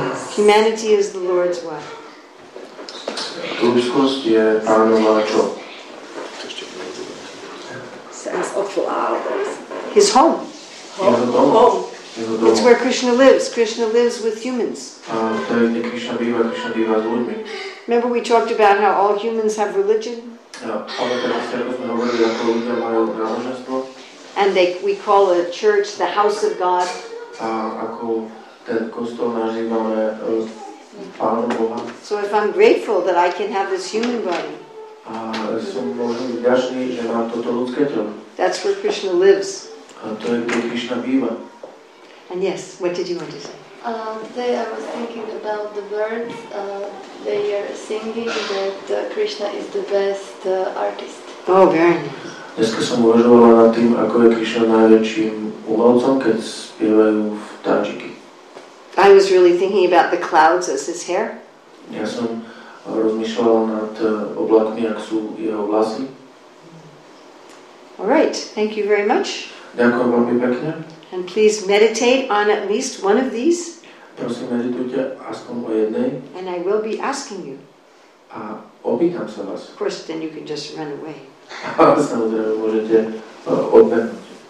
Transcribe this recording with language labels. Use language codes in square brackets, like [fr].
[en] Humanity is the Lord's what? [sk] Ľudskosť je pánova čo? [en] Sense of love. His home. Home. It's where Krishna lives. Krishna lives with humans. [sk] To je, kde Krishna býva s ľuďmi. [en] Remember we talked about how all humans have religion? And we call a church the house of God. So if I'm grateful that I can have this human body, that's where Krishna lives. And yes, what did you want to say? Today I was thinking about the birds. They are singing that Krishna is the best artist. Oh, very nice. [sk] Dneska som uvažovala nad tým, ako je Krishna najväčším umelcom, keď spievajú v Tadžiky. [en] I was really thinking about the clouds as his hair. [sk] Ja som rozmýšľala nad oblakmi, ako sú jeho vlasy. [en] All right, thank you very much. [sk] Ďakujem veľmi pekne. [en] And please meditate on at least one of these. [sk] Prosím, meditujte aspoň o jednej. [en] And I will be asking you. [sk] A opýtam sa vás. [en] Of course, then you can just run away. [sk] Samozrejme, môžete odbehnúť.